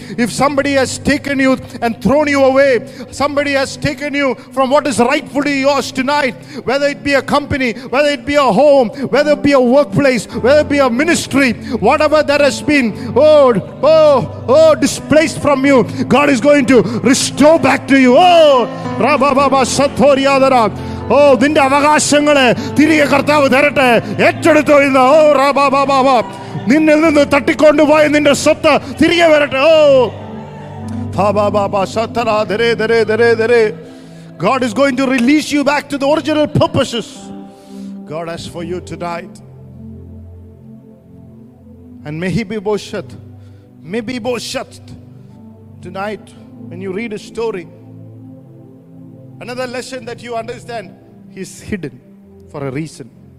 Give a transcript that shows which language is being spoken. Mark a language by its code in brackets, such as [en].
[en] If somebody has taken you and thrown you away, somebody has taken you from what is rightfully yours tonight, whether it be a company, whether it be a home, whether it be a workplace, whether it be a ministry, whatever that has been, oh, displaced from you, God is going to restore back to you. [ml] Oh, നിന്റെ അവകാശങ്ങളെ തിരികെ കർത്താവ് തരട്ടെ, ഏറ്റെടുത്തോ ഇന്ന്. ഓ റബാ ബാബാ ബാ, നിന്നിൽ നിന്ന് തട്ടിക്കൊണ്ടുപോയ നിന്റെ സ്വത്ത് തിരികെ വരട്ടെ. ഓ Baba Baba സത്തരാ ധരേ ധരേ ധരേ ധരേ. [en] God is going to release you back to the original purposes God has for you tonight. And may he be boshat. May be boshat. Tonight, when you read a story, another lesson that you understand, he's hidden for a reason.